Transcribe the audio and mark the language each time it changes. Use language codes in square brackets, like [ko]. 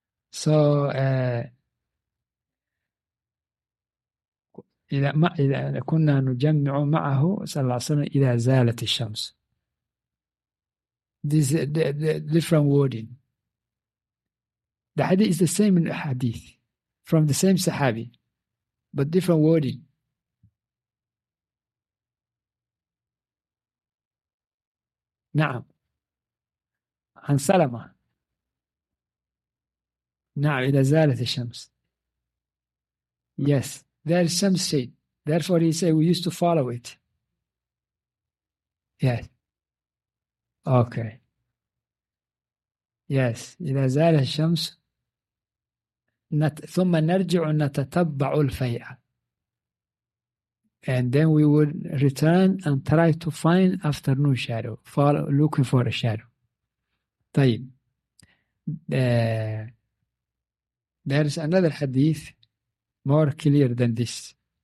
[ar] So, إذا كنا نجمع معه صلى الله عليه وسلم إذا زالت الشمس. [en] This the different wording. The hadith is the same hadith from the same Sahabi, but different wording. [ar] نعم. عن سلمة. نعم إذا زالت الشمس. [en] Yes. There is some shade. Therefore, he said, we used to follow it. Yes. Okay. [ar] يس، إذا زالت الشمس ثم نرجع نتتبع الفيئة. [en] And then we would return and try to find afternoon shadow, looking for a shadow. [ar] طيب. [en] There is another hadith more clear than this.